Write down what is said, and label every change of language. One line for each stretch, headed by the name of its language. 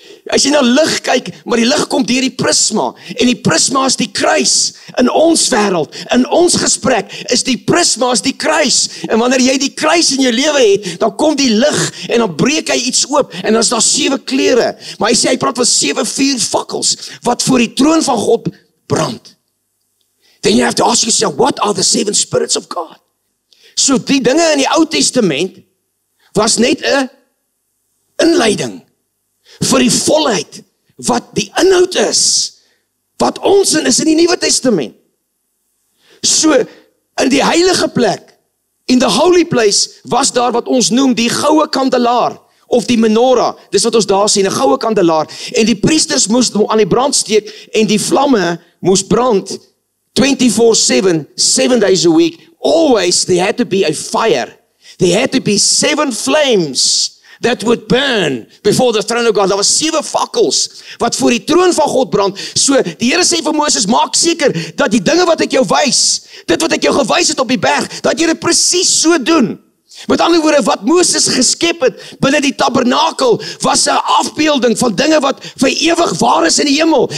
Afrikaans: As jy na lig kyk, maar die lig kom deur die prisma, en die prisma is die kruis in ons wêreld, in ons gesprek, is die prisma is die kruis, en wanneer jy die kruis in jou lewe het, dan kom die lig, en dan breek hy iets oop, en dan is daar 7 kleure, maar hy sê, hy praat van 7 vuurvakkels, wat voor die troon van God brand.
English: Then you have to ask yourself, what are the 7 spirits of God?
Afrikaans: So die dinge in die Ou Testament, was net 'n inleiding, vir die volheid, wat die inhoud is, wat ons is in die Nuwe Testament. So, in die heilige plek,
English: in the holy place,
Afrikaans: was daar wat ons noem die goue kandelaar, of die menorah, dis wat ons daar sien, 'n goue kandelaar, en die priesters moes aan die brand steek, en die vlamme moes brand, 24/7,
English: 7 days a week, always there had to be a fire, there had to be 7 flames, that would burn before the throne of God.
Afrikaans: Daar was 7 fakkels wat voor die troon van God brand. So die Here sê vir Moses, maak seker dat die dinge wat ek jou wys, dit wat ek jou gewys het op die berg, dat jy dit presies so doen. Met ander woorde, wat Moses geskep het binne die tabernakel, was 'n afbeelding van dinge wat vir ewig waar is in die hemel.